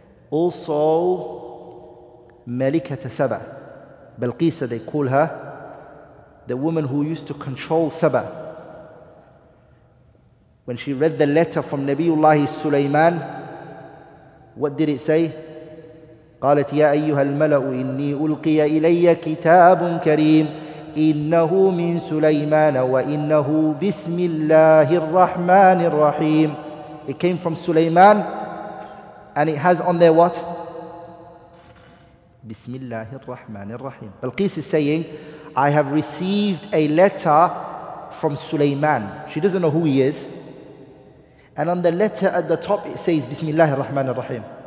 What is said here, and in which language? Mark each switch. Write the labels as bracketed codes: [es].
[en] Also, Malikata Saba, Balqisa they call her, the woman who used to control Saba. When she read the letter from Nabiullah Sulaiman, what did it say? [ar] قالت يا أيها الملأ إني ألقي إلي كتاب كريم إنه من سليمان وإنه بسم الله الرحمن الرحيم. [en] It came from Sulaiman, and it has on there what? [ar] بسم الله الرحمن الرحيم. [en] Balqis is saying, I have received a letter from Sulaiman. She doesn't know who he is. And on the letter at the top it says [ar] بسم الله الرحمن الرحيم.